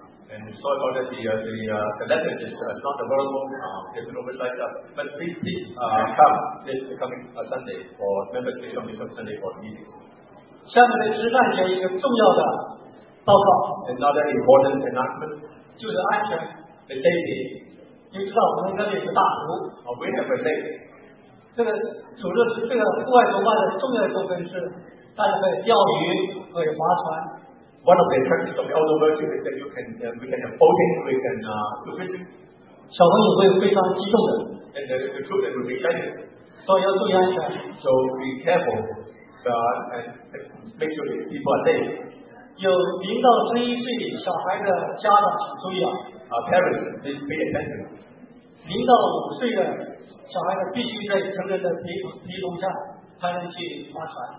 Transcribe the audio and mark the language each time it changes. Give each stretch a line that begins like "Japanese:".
English: And sorry about that, the letter is not available. There's an oversight up. But please come this coming Sunday for members to come this Sunday for meeting.
Chinese: 下面是吃饭前一个重要的。报告
English: ，another important announcement，
Chinese: 就是安全
English: ，the safety。
Chinese: 你知道我们这里是大湖
English: ，we have a lake。
Chinese: 这个组织这个户外崇拜的重要的部分是，大家可以钓鱼，可以划船。
English: One of the attractions of the outdoor worship is that you can, we can have boating, we can do fishing。
Chinese: 小朋友会非常激动的。
English: And then the children will be excited.
Chinese: 所以要注意安全。
English: So be careful, and make sure that people are safe.
Chinese: 有零到十一岁小孩的家长请注意啊。
English: Parents, please pay attention.
Chinese: 零到五岁的小孩子必须在成人的陪同下才能去划船。